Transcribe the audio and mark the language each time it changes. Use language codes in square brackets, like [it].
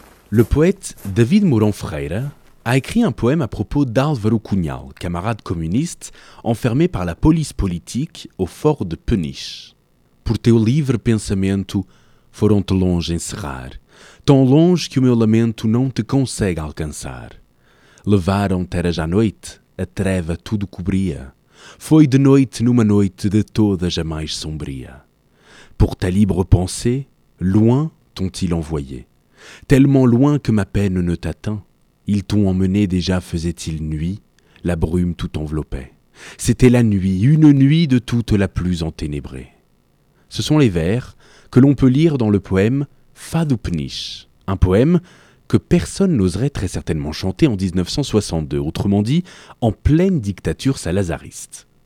[fr] Le poète David Mourão Ferreira a écrit un poème à propos d'Álvaro Cunhal, camarade communiste, enfermé par la police politique au fort de Peniche. [pt] Por teu livre pensamento foram-te longe encerrar, tão longe que o meu lamento não te consegue alcançar. Levaram-te, era já noite, a treva tudo cobria, foi de noite numa noite de toda jamais sombria. [fr] Por ta libre pensée, loin t'ont-ils envoyé, tellement loin que ma peine ne t'atteint. Ils t'ont emmené, déjà faisait-il nuit, la brume tout enveloppait. C'était la nuit, une nuit de toute la plus enténébrée. Ce sont les vers que l'on peut lire dans le poème « Fado Peniche », un poème que personne n'oserait très certainement chanter en 1962, autrement dit, en pleine dictature salazariste.